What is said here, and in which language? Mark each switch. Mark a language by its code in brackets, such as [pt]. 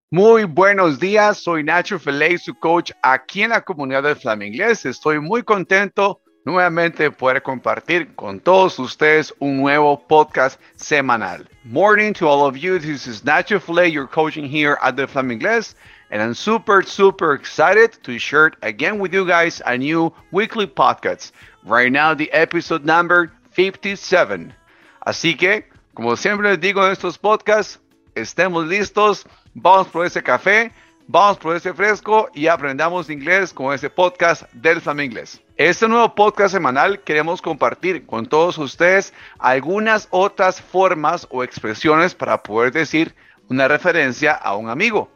[es] Muy buenos días, soy Nacho Feley, su coach aquí en la comunidad de Flamenglés. Estoy muy contento nuevamente de poder compartir con todos ustedes un nuevo podcast semanal. [en] Morning to all of you, this is Nacho Feley, your coaching here at the Flamenglés, and I'm super, super excited to share again with you guys a new weekly podcast. Right now, the episode number 57. [es] Así que, como siempre les digo en estos podcasts, estemos listos. Vamos por ese café, vamos por ese fresco y aprendamos inglés con ese podcast del Flaminglés. Este nuevo podcast semanal queremos compartir con todos ustedes algunas otras formas o expresiones para poder decir una referencia a un amigo.